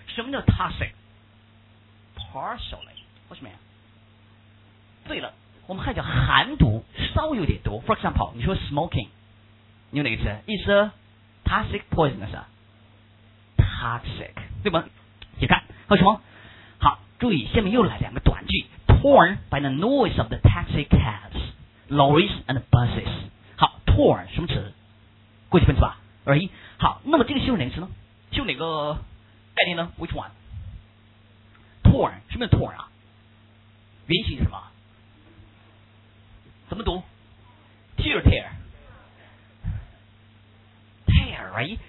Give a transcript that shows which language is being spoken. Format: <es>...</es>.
<zh>什么叫 toxic？ Partially， 为什么呀？对了，我们还叫含毒，稍有点毒。</zh> <en>For example，</en> <zh>你说</zh> <en>smoking，</en> <zh>你用哪个词？</zh> <en>Is a toxic poisonous？</en> <zh>Toxic， 对吧？你看，还有什么？好，注意，下面又来两个短句。</zh> <en>Torn by the noise of the taxi cabs， lorries and buses。</en> <zh>好 ，torn 什么词？过去分词吧。而已。好，那么这个形容哪个词呢？形容哪个概念呢 ？</zh> <en>Which one？</en> <zh>Torn， 什么叫 torn 啊？原型是什么？怎么读</zh> <en>？Tear， tear， tear， right？</en>